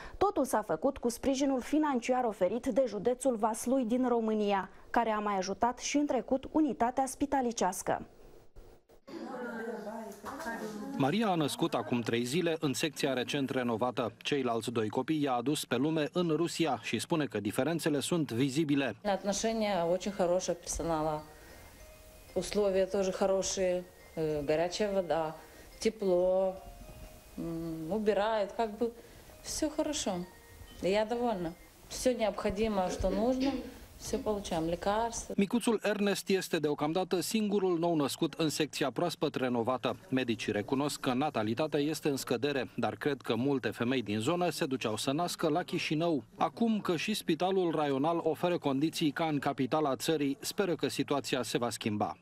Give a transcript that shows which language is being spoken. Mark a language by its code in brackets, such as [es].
[ro] Totul s-a făcut cu sprijinul financiar oferit de județul Vaslui din România, care a mai ajutat și în trecut unitatea spitalicească. Maria a născut acum 3 zile în secția recent renovată. Ceilalți 2 copii i-a adus pe lume în Rusia și spune că diferențele sunt vizibile. [ru] Отношения очень хорошие персонала. Условия тоже хорошие, горячая вода, тепло. Убирают, как бы всё хорошо. Я довольна. Всё необходимое, что нужно. [ro] Micuțul Ernest este deocamdată singurul nou născut în secția proaspăt renovată. Medicii recunosc că natalitatea este în scădere, dar cred că multe femei din zonă se duceau să nască la Chișinău. Acum că și Spitalul Raional oferă condiții ca în capitala țării, speră că situația se va schimba.